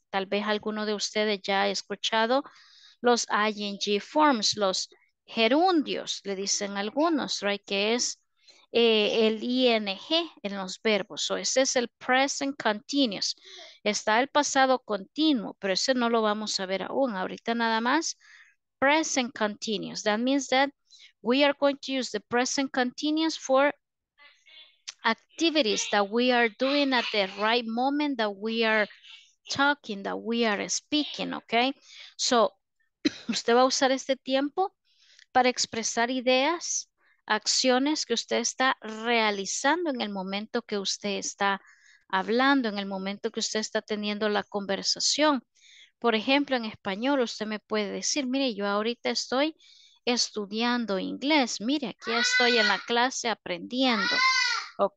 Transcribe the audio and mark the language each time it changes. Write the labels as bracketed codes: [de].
[es] Tal vez alguno de ustedes ya ha escuchado los ing forms, los gerundios, le dicen algunos, right? Que es el ing en los verbos. So, ese es el present continuous. Está el pasado continuo, pero ese no lo vamos a ver aún. Ahorita nada más, present continuous. [en] That means that we are going to use the present continuous for activities that we are doing at the right moment that we are talking, that we are speaking, okay? [es] So, usted va a usar este tiempo para expresar ideas, acciones que usted está realizando en el momento que usted está hablando, en el momento que usted está teniendo la conversación. Por ejemplo, en español usted me puede decir, mire, yo ahorita estoy estudiando inglés, mire, aquí estoy en la clase aprendiendo, ¿ok?